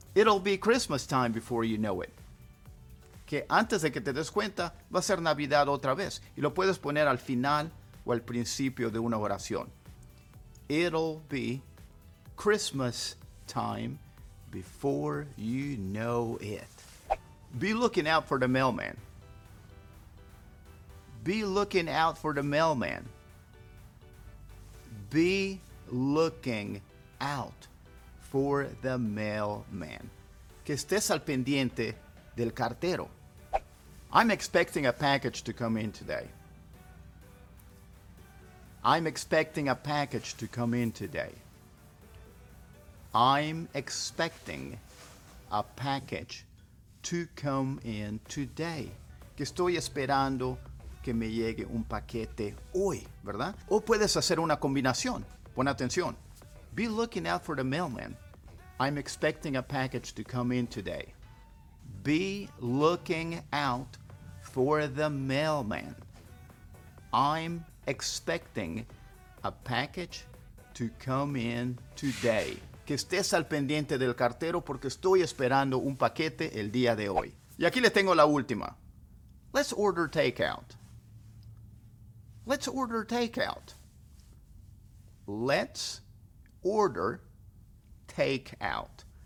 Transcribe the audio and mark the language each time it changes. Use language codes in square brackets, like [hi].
[en] It'll be Christmas time before you know it. [es] Que antes de que te des cuenta, va a ser Navidad otra vez. Y lo puedes poner al final o al principio de una oración. [en] It'll be Christmas time before you know it. Be looking out for the mailman. Be looking out for the mailman. Be looking out for the mailman. [es] Que estés al pendiente del cartero. [en] I'm expecting a package to come in today. I'm expecting a package to come in today. I'm expecting a package to come in today. [es] Que estoy esperando que me llegue un paquete hoy, ¿verdad? O puedes hacer una combinación. Pon atención. [en] Be looking out for the mailman. I'm expecting a package to come in today. Be looking out for the mailman. I'm expecting a package to come in today. [es] Que estés al pendiente del cartero porque estoy esperando un paquete el día de hoy. Y aquí le tengo la última. [en] Let's order takeout. Let's order takeout. Let's order takeout.